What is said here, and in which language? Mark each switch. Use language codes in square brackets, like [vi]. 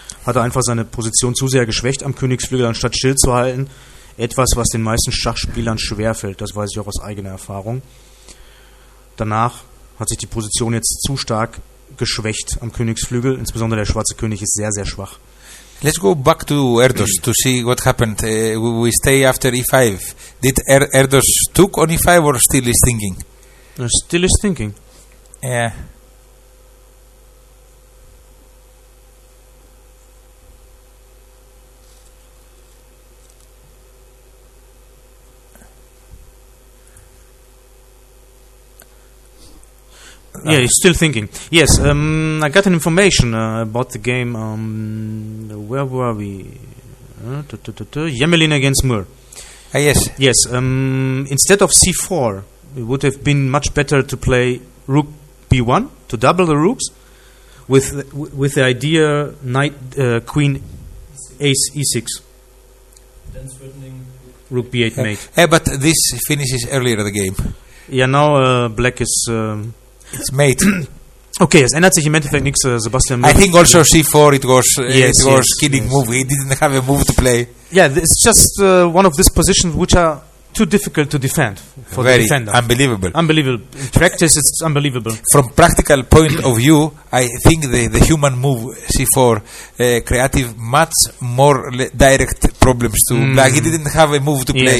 [de] Hat er einfach seine Position zu sehr geschwächt am Königsflügel, anstatt still zu halten. Etwas, was den meisten Schachspielern schwerfällt. Das weiß ich auch aus eigener Erfahrung. Danach hat sich die Position jetzt zu stark geschwächt am Königsflügel. Insbesondere der schwarze König ist sehr, sehr schwach. [en] Let's go back to Erdos to see what happened. We stay after E5. Did Erdos took on E5 or still is thinking? Still is thinking. Yeah. Yeah, he's still thinking. Yes, I got an information about the game. Where were we? Yemelin against Mur. Yes. Yes, instead of c4... It would have been much better to play rook b1 to double the rooks with the idea knight queen ace e6. Then threatening rook b8 mate. Yeah, but this finishes earlier the game. Yeah, now black is... it's mate. [de] Okay, es ändert sich im Endeffekt nichts, Sebastian. [en] I think also c4 it was killing move. He didn't have a move to play. Yeah, it's just one of these positions which are... too difficult to defend for very the defender. Unbelievable. Unbelievable. Practice, it's unbelievable. From practical point of view, I think the human move C4 creative much more direct problems to black. He didn't have a move to play.